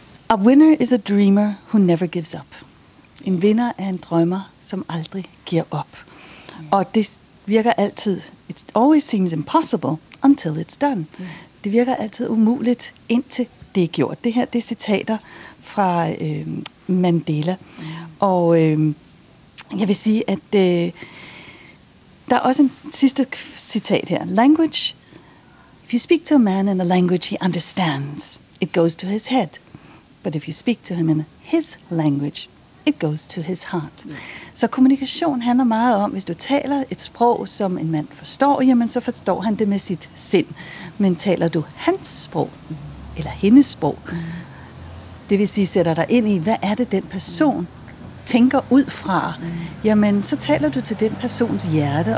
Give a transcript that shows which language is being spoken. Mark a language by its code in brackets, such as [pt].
[en] A winner is a dreamer who never gives up. [da] En vinder er en drømmer, som aldrig giver op. Ja. Og det virker altid. [en] It always seems impossible until it's done. Mm. [da] Det virker altid umuligt, indtil det er gjort. Det her, det er citater fra Mandela. Og jeg vil sige, at der er også en sidste citat her. [en] Language. If you speak to a man in a language he understands, it goes to his head. But if you speak to him in his language, it goes to his heart. Mm. [da] Så kommunikation handler meget om, hvis du taler et sprog, som en mand forstår, jamen så forstår han det med sit sind. Men taler du hans sprog, eller hendes sprog, det vil sige, sætter dig ind i, hvad er det, den person tænker ud fra, jamen så taler du til den persons hjerte.